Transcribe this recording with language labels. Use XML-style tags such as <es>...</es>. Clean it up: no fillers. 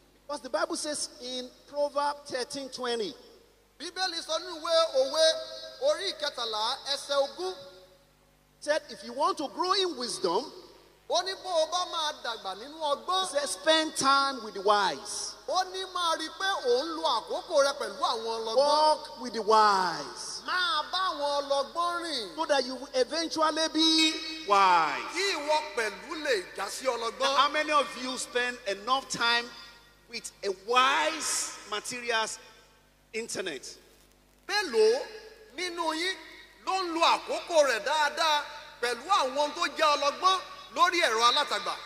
<en>Because the Bible says in Proverbs 13:20.</en> <yo>Bíbélì sọ nínú ìwé òwe orí ìkẹtàlá ẹsẹ̀ ogún.</yo> <en>Said if you want to grow in wisdom,</en> <yo>ó ní bó o bá máa dàgbà nínú ọgbọ́n.</yo> <en>He says spend time with the wise.</en> <yo>Ó ní máa rí pé òun lo àkókò rẹ pẹ̀lú àwọn ọlọ́gbọ́n.</yo> <en>Walk with the wise.</en> <yo>Máa bá àwọn ọlọ́gbọ́n rìn.</yo> <en>So that you eventually be wise.</en> <yo>Kí ìwọ pẹ̀lú lè já sí ọlọ́gbọ́n.</yo> <en>How many of you spend enough time with a wise materials internet?</en> <yo>Mélòó nínú yín ló ń lo àkókò rẹ̀ dáadáa pẹ̀lú àwọn tó jẹ́ ọlọ́gbọ́n lórí ẹ̀rọ alátagbà?</yo>